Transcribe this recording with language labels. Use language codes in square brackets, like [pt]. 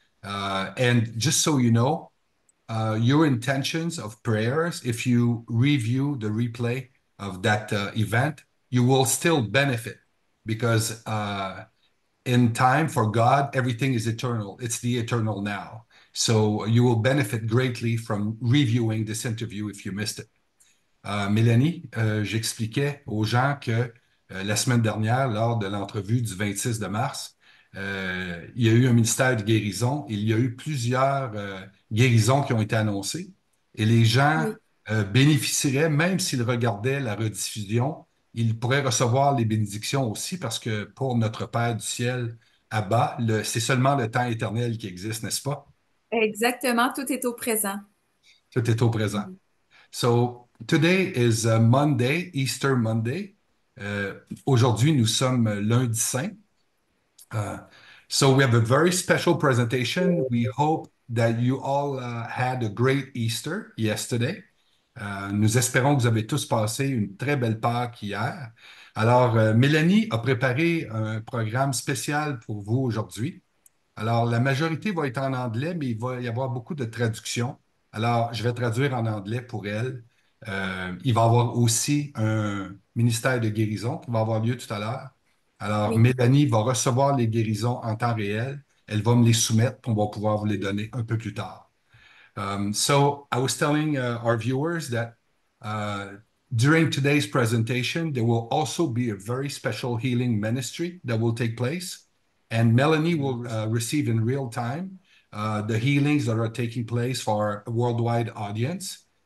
[en] And just so you know, your intentions of prayers, if you review the replay of that event, you will still benefit because in time for God, everything is eternal. It's the eternal now. So you will benefit greatly from reviewing this interview if you missed it. [fr] Mélanie, j'expliquais aux gens que la semaine dernière, lors de l'entrevue du 26 de mars, il y a eu un ministère de guérison. Il y a eu plusieurs guérisons qui ont été annoncées. Et les gens Oui. bénéficieraient, même s'ils regardaient la rediffusion, ils pourraient recevoir les bénédictions aussi, parce que pour notre Père du ciel, Abba, c'est seulement le temps éternel qui existe, n'est-ce pas? Exactement, tout est au présent. Tout est au présent. [en] So, today is Monday, Easter Monday. [fr] Aujourd'hui, nous sommes lundi saint. [en] So we have a very special presentation. We hope that you all had a great Easter yesterday. [fr] Nous espérons que vous avez tous passé une très belle Pâque hier. Alors, Mélanie a préparé un programme spécial pour vous aujourd'hui. Alors, la majorité va être en anglais, mais il va y avoir beaucoup de traductions. Alors, je vais traduire en anglais pour elle. Il va y avoir aussi un ministère de guérison qui va avoir lieu tout à l'heure. Alors, Oui. Mélanie va recevoir les guérisons en temps réel. Elle va me les soumettre, puis on va pouvoir vous les donner un peu plus tard. [en] So, I was telling our viewers that during today's presentation, there will also be a very special healing ministry that will take place. And Mélanie will receive in real time the healings that are taking place for our worldwide audience.